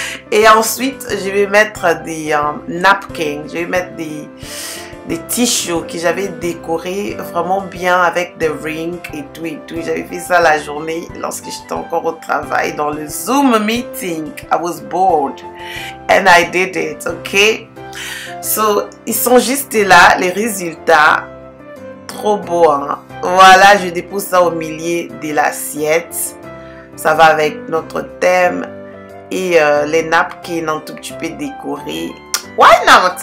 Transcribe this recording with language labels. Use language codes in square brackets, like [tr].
[fr] Et ensuite, je vais mettre des napkins. Je vais mettre des tissus que j'avais décorés vraiment bien avec des rings et tout et tout. J'avais fait ça la journée lorsque j'étais encore au travail dans le Zoom meeting. [en] I was bored and I did it, ok? [fr] So, ils sont juste là, les résultats, trop beau, hein? Voilà, je dépose ça au milieu de l'assiette. Ça va avec notre thème et les napkins un tout petit peu décorés. [en] Why not?